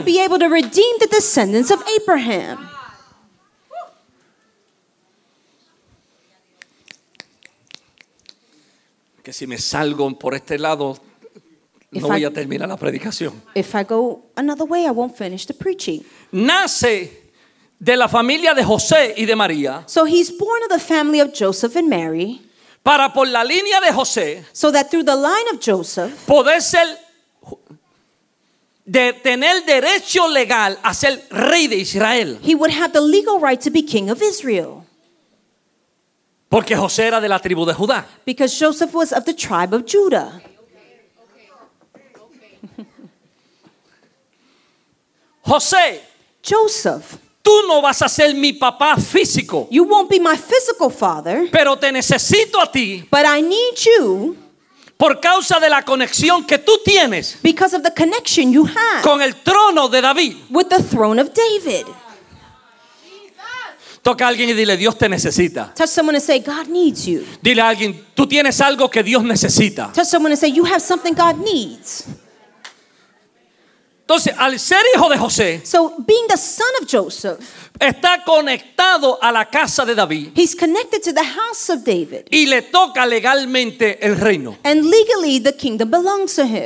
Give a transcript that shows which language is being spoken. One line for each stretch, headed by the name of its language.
English: To be able to redeem the descendants of Abraham.
Spanish: Que si me salgo por este lado. No voy a terminar la predicación.
English: If I go another way, I won't finish the preaching.
Spanish: Nace de la familia de José y de María.
English: So he's born of the family of Joseph and Mary.
Spanish: Para por la línea de José.
English: So that through the line of Joseph.
Spanish: Poder ser, de tener derecho legal a ser rey de Israel.
English: He would have the legal right to be king of Israel.
Spanish: Porque José era de la tribu de Judá.
English: Because Joseph was of the tribe of Judah.
Spanish: José,
English: Joseph,
Spanish: tú no vas a ser mi papá físico.
English: You won't be my physical father.
Spanish: Pero te necesito a ti.
English: But I need you.
Spanish: Por causa de la conexión que tú tienes.
English: Because of the connection you have.
Spanish: Con el trono de David.
English: With the throne of David.
Spanish: Toca a alguien y dile, Dios te necesita.
English: Touch someone and say, God needs you.
Spanish: Dile a alguien, tú tienes algo que Dios necesita.
English: Touch someone and say, you have something God needs.
Spanish: Entonces, al ser hijo de José,
English: so being the son of Joseph,
Spanish: está conectado a la casa de David.
English: He's connected to the house of David.
Spanish: Y le toca legalmente el reino.
English: And legally the kingdom belongs to him.